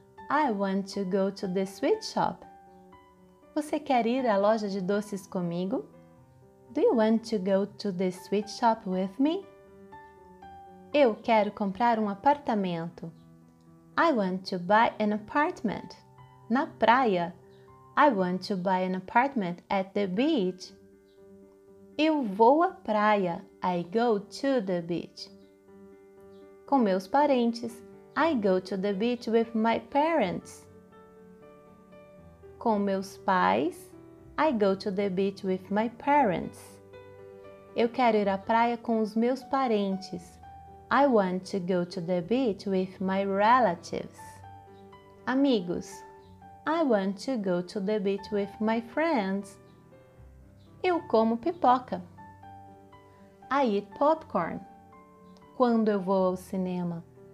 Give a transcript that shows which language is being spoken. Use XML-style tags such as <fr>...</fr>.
<en>I want to go to the sweet shop.</en> <pt>Você quer ir à loja de doces comigo?</pt> <en>Do you want to go to the sweet shop with me?</en> <pt>Eu quero comprar um apartamento.</pt> <en>I want to buy an apartment.</en> <pt>Na praia.</pt> <en>I want to buy an apartment at the beach.</en> <pt>Eu vou à praia.</pt> <en>I go to the beach.</en> <pt>Com meus parentes.</pt> <en>I go to the beach with my parents.</en> <pt>Com meus pais.</pt> <en>I go to the beach with my parents.</en> <pt>Eu quero ir à praia com os meus parentes.</pt> <en>I want to go to the beach with my relatives.</en> <pt>Amigos.</pt> <en>I want to go to the beach with my friends.</en> <pt>Eu como pipoca.</pt> <en>I eat popcorn.</en> <pt>Quando eu vou ao cinema.</pt>